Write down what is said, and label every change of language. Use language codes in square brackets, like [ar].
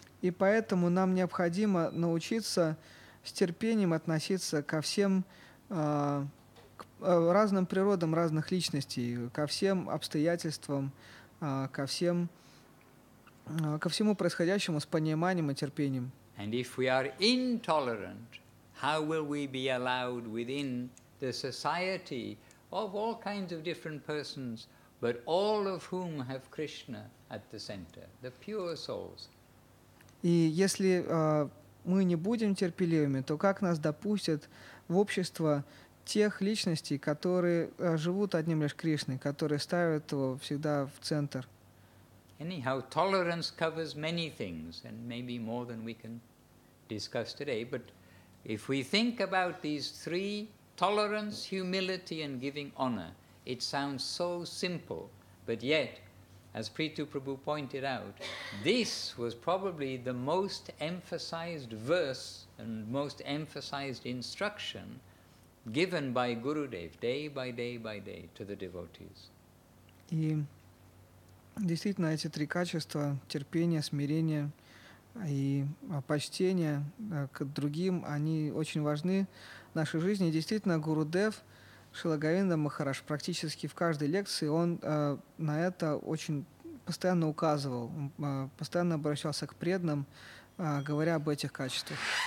[ru] И поэтому нам необходимо научиться с терпением относиться ко всем к разным природам разных личностей, ко всем обстоятельствам, ко всему происходящему с пониманием и терпением. [en] And if we are intolerant, how will we be allowed within the society of all kinds of different persons, but all of whom have Krishna at the center, the pure souls? [ru] И если мы не будем терпеливыми, то как нас допустят в общество тех личностей, которые живут одним лишь Кришной, которые ставят его всегда в центр? [en] Anyhow, tolerance covers many things, and maybe more than we can discuss today, but if we think about these three, tolerance, humility, and giving honor, it sounds so simple, but yet, as Preetu Prabhu pointed out, this was probably the most emphasized verse and most emphasized instruction given by Gurudev day by day by day to the devotees. [ru] И действительно, эти три качества — терпение, смирение и почтение к другим — они очень важны в нашей жизни. Действительно, Гурудев Шрила Говинда Махарадж практически в каждой лекции он на это очень постоянно указывал, постоянно обращался к преданным, говоря об этих качествах.